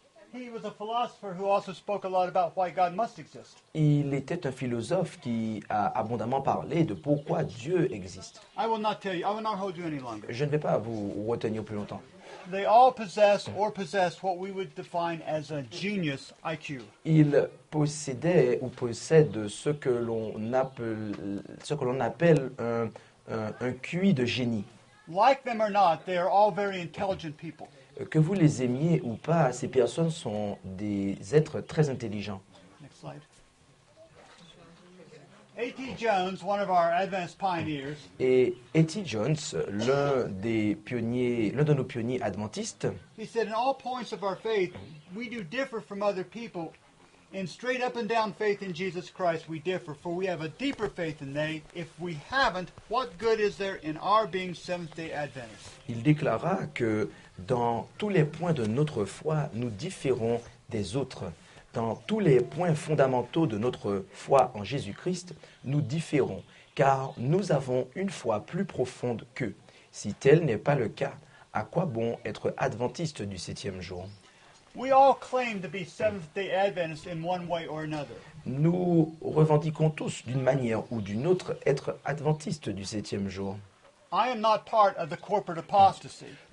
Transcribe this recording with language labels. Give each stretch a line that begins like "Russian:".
English: He was a philosopher who also spoke a lot about why God must exist.
French: Il était un philosophe qui a abondamment parlé de pourquoi Dieu existe.
English: I will not tell you. I will not hold you any longer.
French: Je ne vais pas vous retenir plus longtemps.
English: They all possess or possess what we would define as a genius IQ.
French: Ils possédaient ou possèdent ce que l'on appelle un QI de génie.
English: Like them or not, they are all very intelligent people.
French: Que vous les aimiez ou pas, ces personnes sont des êtres très intelligents.
English: Next slide. A.T. Jones, one of our advanced pioneers.
French: Et A.T. Jones, l'un de nos pionniers adventistes.
English: He said, in all points of our faith, we do differ from other people. In straight up and down faith in Jesus Christ, we differ, for we have a deeper faith than they. If we haven't, what good is there in our being Seventh-day Adventists?
French: Il déclara que dans tous les points de notre foi, nous différons des autres. Dans tous les points fondamentaux de notre foi en Jésus-Christ, nous différons, car nous avons une foi plus profonde qu'eux. Si tel n'est pas le cas, à quoi bon être adventiste du septième jour?
English: We all claim to be Seventh-day Adventists in one way or another.
French: Nous revendiquons tous, d'une manière ou d'une autre, être adventiste du septième jour.
English: I am not part of the corporate apostasy.